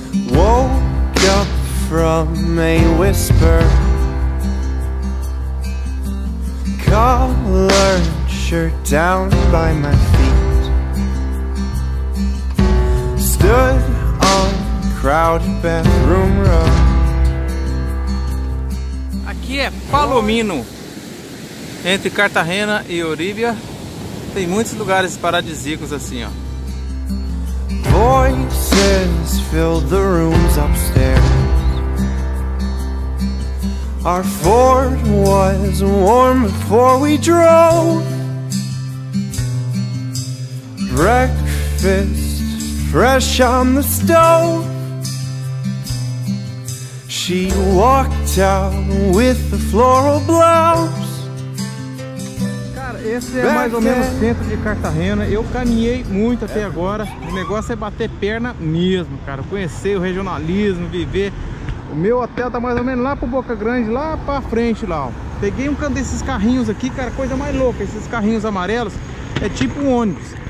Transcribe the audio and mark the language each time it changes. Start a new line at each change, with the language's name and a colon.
English: Woke up from a whisper, collared shirt down by my feet, stood on crowded bathroom row.
Portuguese: Aqui é Palomino. Entre Cartagena e Orívia tem muitos lugares paradisíacos assim, ó.
English: Voices fill the rooms upstairs. Our Ford was warm before we drove. Breakfast fresh on the stove. She walked out with the floral blouse.
Portuguese: Esse é mais ou menos o centro de Cartagena. Eu caminhei muito até agora. O negócio é bater perna mesmo, cara. Conhecer o regionalismo, viver. O meu hotel tá mais ou menos lá pro Boca Grande, lá pra frente lá, ó. Peguei um desses carrinhos aqui, cara. Coisa mais louca, esses carrinhos amarelos. É tipo um ônibus.